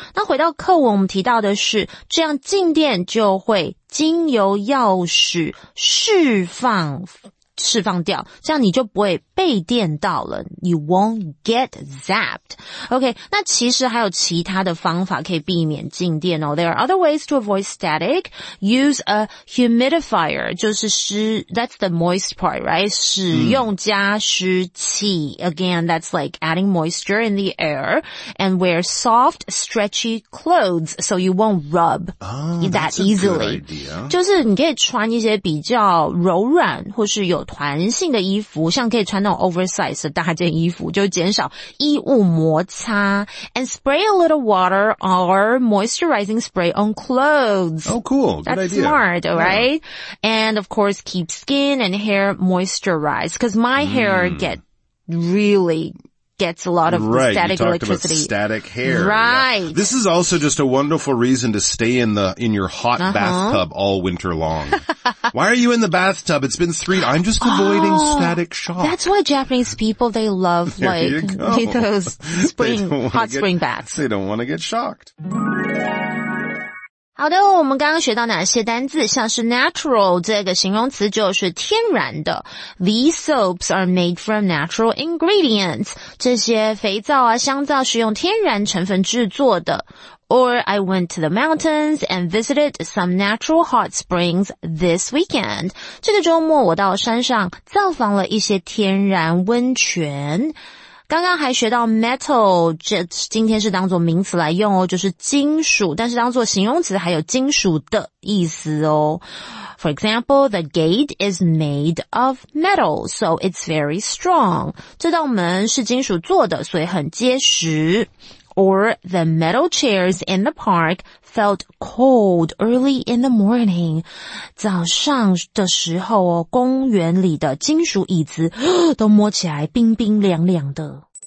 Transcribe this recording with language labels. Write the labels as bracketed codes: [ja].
[zh] 那回到课文我们提到的是这样静电就会经由钥匙释放掉，这样你就不会被电到了， [en] You won't get zapped. [zh] OK, 那其实还有其他的方法可以避免静电哦。 [en] There are other ways to avoid static. Use a humidifier, [zh] 就是湿 [en] that's the moist part, right? [zh] 使用加湿器 [en] Again, that's like adding moisture in the air. And wear soft, stretchy clothes, so you won't rub that easily. [zh] 就是你可以穿一些比较柔软或是有弹性的衣服，像可以穿那种 oversize 的大件衣服，就减少衣物摩擦。 [en] And spray a little water or moisturizing spray on clothes. Oh, cool. That's smart, right? Yeah. And of course, keep skin and hair moisturized. Because my hair gets a lot of static electricity. About static hair. Right. Yeah. This is also just a wonderful reason to stay in your hot bathtub all winter long. Why are you in the bathtub? It's been three. I'm just avoiding static shock. That's why Japanese people, they love hot spring baths. They don't want to get shocked. [zh] 好的，我们刚刚学到哪些单字？像是 natural 这个形容词就是天然的。 [en] These soaps are made from natural ingredients. [zh] 这些肥皂啊、香皂是用天然成分制作的。 [en] Or I went to the mountains and visited some natural hot springs this weekend. [zh] 这个周末我到山上造访了一些天然温泉。刚刚还学到 metal, 这今天是当作名词来用哦，就是金属，但是当作形容词还有金属的意思哦。 [en] For example, the gate is made of metal, so it's very strong. [zh] 这道门是金属做的，所以很结实。 [en] Or the metal chairs in the park felt cold early in the morning. [zh] 早上的时候哦，公园里的金属椅子都摸起来冰冰凉凉的。